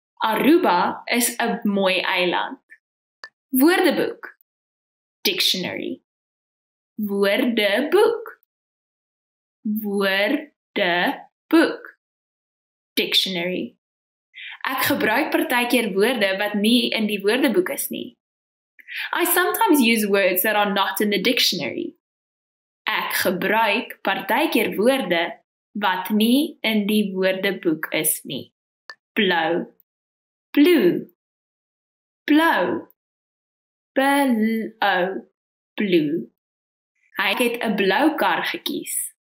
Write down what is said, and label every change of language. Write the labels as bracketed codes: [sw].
[af] Aruba is 'n mooi eiland. Woordeboek. Dictionary. Woordeboek. Woordeboek. Dictionary. Ek gebruik partykeer woorde wat nie in die woordeboek is nie. [en] I sometimes use words that are not in the dictionary. [af] Ek gebruik partykeer woorde wat nie in die woordeboek is nie. Blou. Blue. Blou. Blou. Blue. Hy het 'n blou kar gekies.